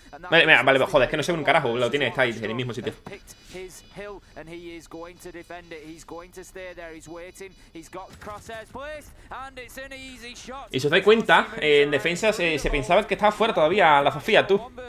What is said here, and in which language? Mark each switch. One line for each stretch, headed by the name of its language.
Spanish: Vale, mira, vale, joder, es que no sé un carajo. Lo tiene, está ahí, en el mismo sitio.
English: His hill and he is going to defend it. He's going to stay there. He's waiting. He's got crosshairs placed and it's an easy shot.
Spanish: Y si os dais cuenta, en defensa se pensaba que estaba fuera todavía la Zofia, tú.